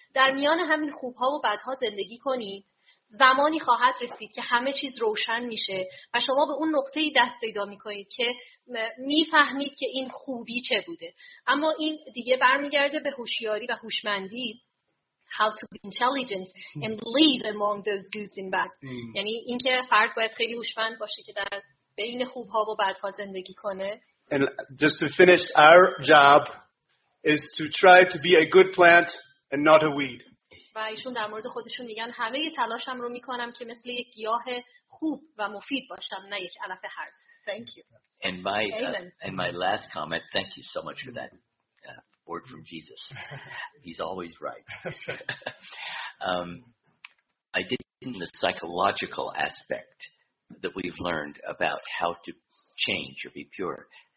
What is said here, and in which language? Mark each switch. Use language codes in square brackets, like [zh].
[fa] در میان همین خوبها و بدها زندگی کنید. زمانی خواهد رسید که همه چیز روشن میشه و شما به اون نقطه‌ای دست پیدا میکنید که میفهمید که این خوبی چه بوده. اما این دیگه برمیگرده به هوشیاری و هوشمندی. [en] How to be intelligent and live among those goods and bad. [fa] یعنی این که فرد باید خیلی هوشمند باشه که در بین خوبها و بدها زندگی کنه. [en] And just to finish, our job is to try to be a good plant and not a weed. [fa] و ایشون در مورد خودشون میگن همه ی تلاشم رو میکنم که مثل یک گیاه خوب و مفید باشم نه یک علف هرز. [en] Thank you. And my and my last comment, thank you so much for that word from Jesus. He's always right. I did in the psychological aspect that we've learned about how to change or be pure.